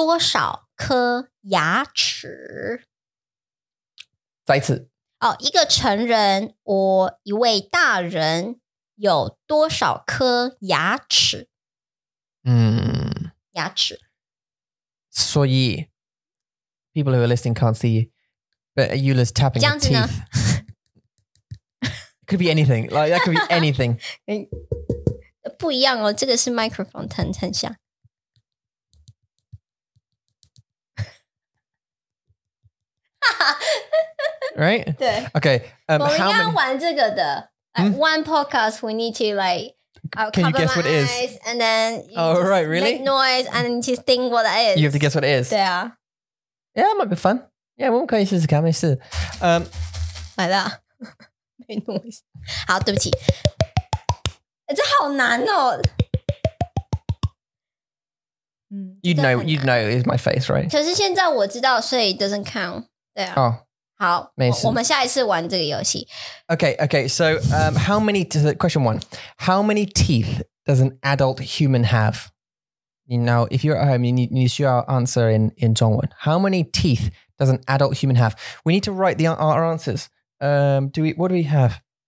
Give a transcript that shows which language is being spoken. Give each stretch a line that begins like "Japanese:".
Chinese: 一个大人成人有多少颗牙齿? 再一次。一个成人或一位大人有多少颗牙齿? 牙齿。
English: So ye, people who are listening can't see you, but Eula's tapping her teeth. It could be anything. Like that could be anything.
Chinese: 不一样哦, 这个是microphone, 疼疼像。
English: Right?
Chinese: 对。
English: Okay.
Chinese: 我们要玩这个的,
English: one podcast we need to like, I'll Can you guess what it is? And then you oh, right, really? Make noise and then just think what that is. You have to guess what it is. Yeah. Yeah, it might be fun. Yeah,
Chinese: 我们可以试试看，没事。
English: Like that. Make noise.
Chinese: 好，对不起。这好难哦。
English: You'd know it's my face, right?
Chinese: 可是现在我知道,
English: so it doesn't count.
Chinese: 对啊。
English: Oh.
Chinese: 好，我们下一次玩这个游戏。
English: Okay, so how many, question one, how many teeth does an adult human have? You know, if you're at home, you need to answer in 中文. How many teeth does an adult human have? We need to write our answers. What do we have?